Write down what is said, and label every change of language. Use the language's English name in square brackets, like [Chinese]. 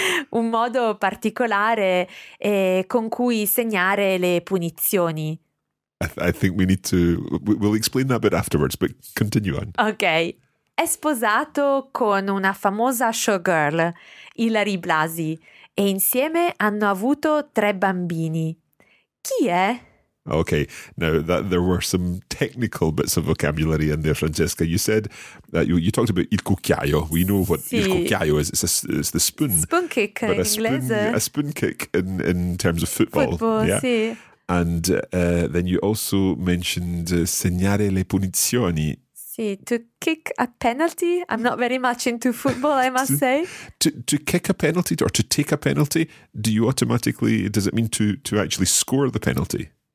[Italian] Un modo particolare con cui segnare le punizioni. [English] We'll explain that a bit afterwards, but continue on. Ok. [Italian] È sposato con una famosa showgirl, Hilary Blasi, e insieme hanno avuto tre bambini. Chi è? [English] Ok, now that there were some technical bits of vocabulary in there, Francesca. You said that you talked about il cucchiaio. We know what [Italian] sì. [English] Il cucchiaio is. It's the spoon. Spoon kick but [Italian] in inglese. [English] A spoon kick in terms of football. Football, yeah? [Italian] Sì. [English] And then you also mentioned [Italian] segnare le punizioni. [English] Sì, to kick a penalty. I'm not very much into football, I must say. To kick a penalty or to take a penalty, do you automatically, does it mean to actually score the penalty?